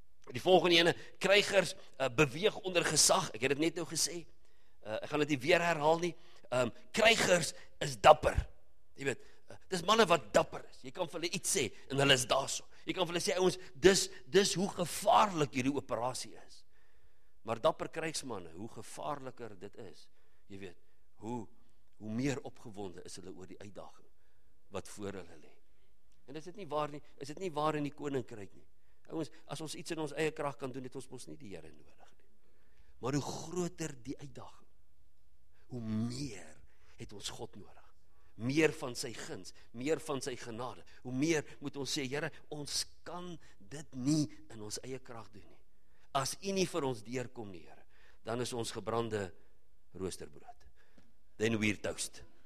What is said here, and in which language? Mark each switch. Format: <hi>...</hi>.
<af>Die volgende ene, krygers beweeg onder gesag. Ek het dit net nou gesê. Ek gaan dit nie weer herhaal nie. Krygers is dapper. Jy weet, dis manne wat dapper is. Jy kan vir hulle iets sê en hulle is daarso. Jy kan vir hulle sê, ouens, dis hoe gevaarlik hierdie operasie is. Maar dapper krygsmanne, hoe gevaarliker dit is, jy weet, hoe meer opgewonde is hulle oor die uitdaging wat voor hulle lê. En is dit nie waar nie? Is dit nie waar in die koninkryk nie? Ouens, as ons iets in ons eie krag kan doen, het ons mos nie die Here nodig nie. Maar hoe groter die uitdaging, hoe meer het ons God nodig. Meer van sy guns, meer van sy genade. Hoe meer moet ons sê, Here, ons kan dit nie in ons eie krag doen nie. As U nie vir ons deurkom nie, Here, dan is ons gebrande roosterbrood.</af> <en>Then we're toast.</en>